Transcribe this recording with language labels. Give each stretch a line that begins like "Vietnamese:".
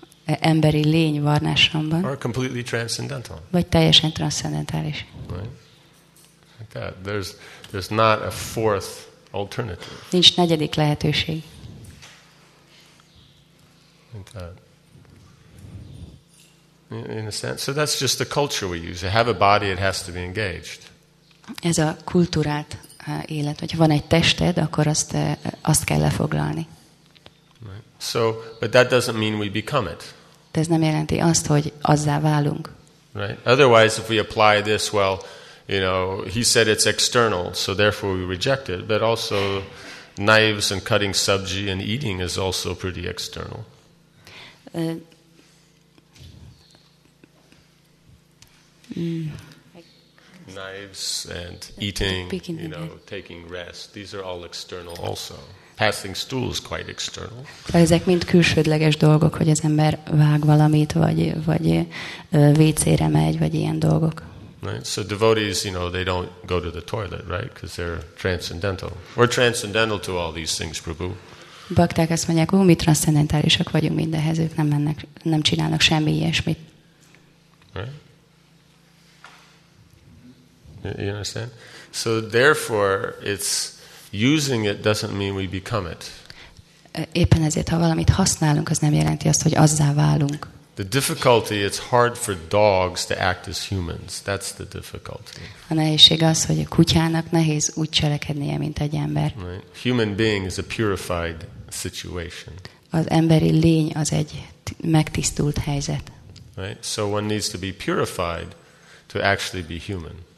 Hungarian: Emberi lény Varnashramban.
English: Or completely transcendental.
Hungarian: Vagy teljesen transzcendentális.
English: Right. Like that. There's not a fourth alternative.
Hungarian: Nincs negyedik lehetőség.
English: Like that. In a sense, so that's just the culture we use. To have a body, it has to be engaged.
Hungarian: Ez a kulturált élet, hogy van egy tested, akkor azt kell lefoglalni.
English: Right. So, but that doesn't mean we become it.
Hungarian: De ez nem jelenti azt, hogy azzá válunk.
English: Right. Otherwise, if we apply this, well, you know, he said it's external, so therefore we reject it. But also, knives and cutting sabji and eating is also pretty external. Knives and eating, you know, taking rest. These are all external also. Passing stool is quite external.
Hungarian: Ezek mind külsődleges dolgok, hogy az ember vág valamit, vagy WC-re megy, vagy ilyen dolgok.
English: Right? So devotees, you know, they don't go to the toilet, right? Because they're transcendental. We're transcendental to all these things, Prabhu.
Hungarian: Bakták azt mondják, mi transzcendentálisak vagyunk mindehhez, ők nem mennek, nem csinálnak semmi ilyesmit.
English: Right? You understand? So therefore, it's using it doesn't mean we become it.
Hungarian: Éppen ezért, ha valamit használunk, az nem jelenti azt, hogy azzá válunk.
English: The difficulty, it's hard for dogs to act as humans. That's the difficulty.
Hungarian: A nehézség az, hogy a kutyának nehéz úgy cselekednie, mint egy ember.
English: Right? Human being is a purified situation.
Hungarian: Az emberi lény az egy megtisztult helyzet.
English: Right? So one needs to be purified to actually be human.